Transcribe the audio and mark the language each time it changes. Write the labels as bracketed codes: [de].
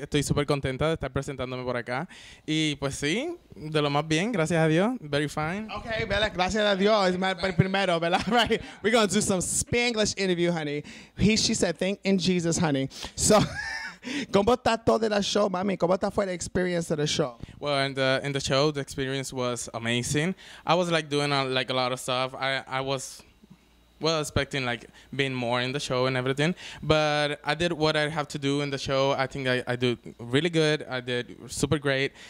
[es] Estoy súper contenta de estar presentándome por acá. Y pues sí, de lo más bien, gracias a Dios. [en] Very fine. [es] Okay, Bella, gracias a Dios. Primero, Bella, right? [en] We're going to do some Spanglish interview, honey. She said, thank in Jesus, honey. [es] So, ¿cómo está todo de la show, mami? ¿Cómo fue la [en] experience of the show? Well, in the show, the experience was amazing. I was, like, doing, like, a lot of stuff. I was... Well, expecting, like, being more in the show and everything. But I did what I have to do in the show. I think I do really good. I did super great.